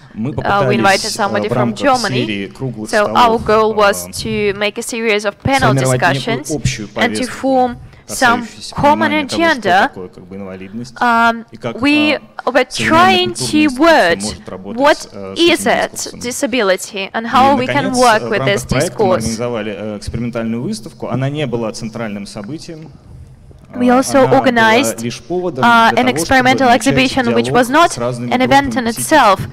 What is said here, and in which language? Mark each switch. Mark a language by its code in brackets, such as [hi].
[en] We invited somebody from Germany. So our goal was to make a series of panel discussions and to form some common agenda. We were trying to word what is it, disability, and how we can work with this discourse. [ru] Мы организовали экспериментальную выставку. Она не была центральным событием. [en] We also organized an experimental exhibition, which was not an event in itself.